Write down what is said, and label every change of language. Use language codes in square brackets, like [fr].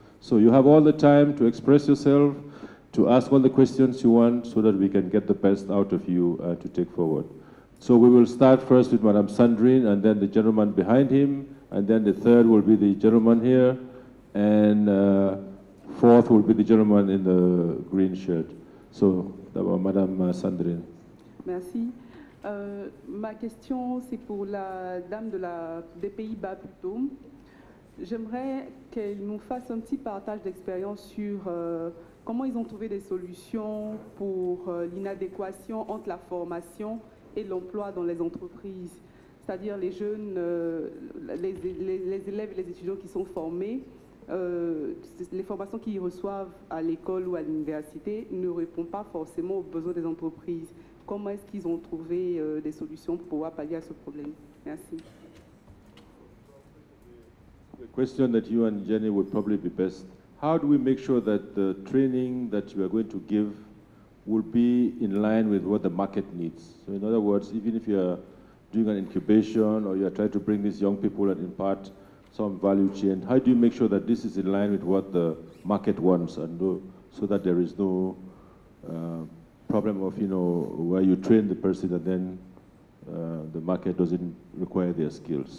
[en] So you have all the time to express yourself, to ask all the questions you want, so that we can get the best out of you to take forward. So we will start first with Madame Sandrine, and then the gentleman behind him, and then the third will be the gentleman here, and fourth will be the gentleman in the green shirt. So that was Madame Sandrine. [fr] Merci. Ma question, c'est pour la dame de la, des Pays-Bas plutôt. J'aimerais qu'elle nous fasse un petit partage d'expérience sur comment ils ont trouvé des solutions pour l'inadéquation entre la formation et l'emploi dans les entreprises, c'est-à-dire les jeunes, les élèves et les étudiants qui sont formés, les formations qu'ils reçoivent à l'école ou à l'université ne répondent pas forcément aux besoins des entreprises. Comment est-ce qu'ils ont trouvé des solutions pour pouvoir pallier à ce problème? Merci. [en] The question that you and Jenny would probably be best, how do we make sure that the training that you are going to give will be in line with what the market needs? So in other words, even if you are doing an incubation or you are trying to bring these young people and impart some value chain, how do you make sure that this is in line with what the market wants and so that there is no problem of, you know, where you train the person and then the market doesn't require their skills?